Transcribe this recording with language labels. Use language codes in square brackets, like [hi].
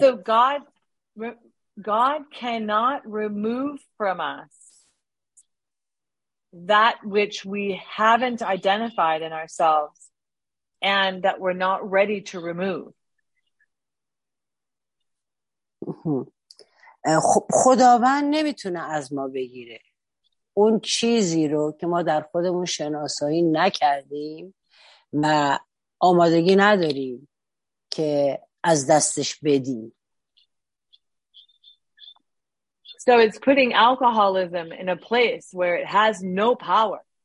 [en] So God cannot remove from us that which we haven't identified in ourselves and that we're not ready to remove. [fa] خداوند نمیتونه از ما بگیره اون چیزی رو که ما در خودمون شناسایی نکردیم و آمادگی نداریم که از دستش بدیم. [en] So it's putting alcoholism in a place where it has no power.